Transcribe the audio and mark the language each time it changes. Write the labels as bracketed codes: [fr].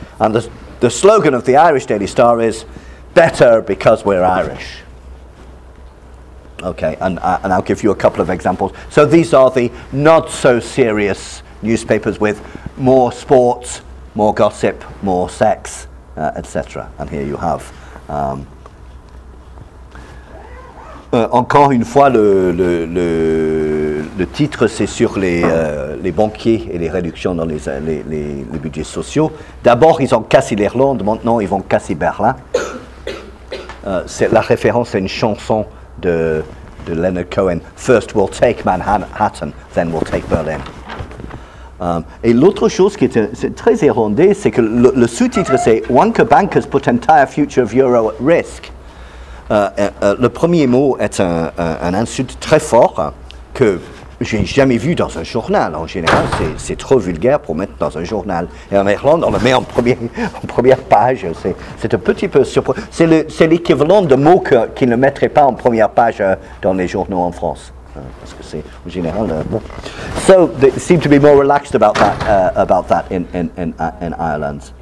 [en] And the slogan of the Irish Daily Star is "Better because we're Irish." Okay, and I'll give you a couple of examples. So these are the not-so-serious newspapers with more sports, more gossip, more sex, etc. And here you have. [fr] Encore une fois, le titre, c'est sur les banquiers et les réductions dans les budgets sociaux. D'abord, ils ont cassé l'Irlande, maintenant ils vont casser Berlin. C'est la référence à une chanson de Leonard Cohen. [en] First we'll take Manhattan, then we'll take Berlin. [fr] Et l'autre chose qui est très irlandais, c'est que le sous-titre c'est [en] Wanker bankers put entire future of euro at risk. [fr] Le premier mot est un insulte très fort que j'ai jamais vu dans un journal. En général, c'est trop vulgaire pour mettre dans un journal. Et en Irlande, on le met en première page. C'est un petit peu surprenant. C'est l'équivalent de mots qu'ils ne mettraient pas en première page dans les journaux en France. Parce que c'est en général. [en] So they seem to be more relaxed about that in Ireland.